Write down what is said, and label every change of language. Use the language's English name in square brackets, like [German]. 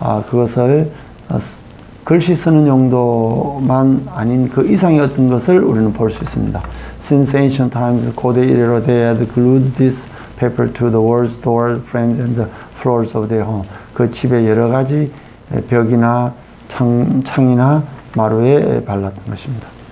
[Korean] 그것을 글씨 쓰는 용도만 아닌 그 이상의 어떤 것을 우리는 볼 수 있습니다. [English] Since ancient times, [Korean] 고대 이래로 [English] they had glued this paper to the walls, doors, frames, and the floors of their home. [Korean] 그 집에 여러 가지 벽이나 창이나 마루에 발랐던 것입니다.